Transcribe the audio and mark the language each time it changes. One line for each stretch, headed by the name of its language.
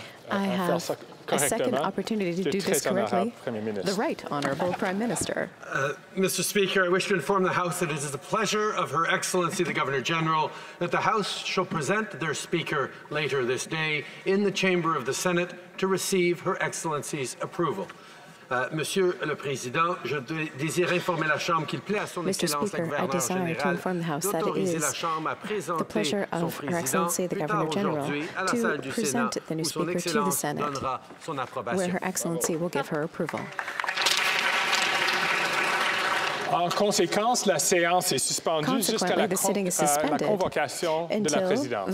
English: I have a second opportunity to do this correctly. The Right Honourable Prime Minister. Mr. Speaker, I wish to inform the House that it is the pleasure of Her Excellency the Governor General that the House shall present their Speaker later this day in the Chamber of the Senate to receive Her Excellency's approval.
French: Monsieur le Président, je désire informer la Chambre qu'il plaît à son
English: Mr. Speaker, I desire to inform the House that it is the pleasure of Her Excellency the Governor General to present the new Speaker to the Senate, where Her Excellency will give her approval.
French: En conséquence, la séance est suspendue jusqu'à la convocation de la présidence.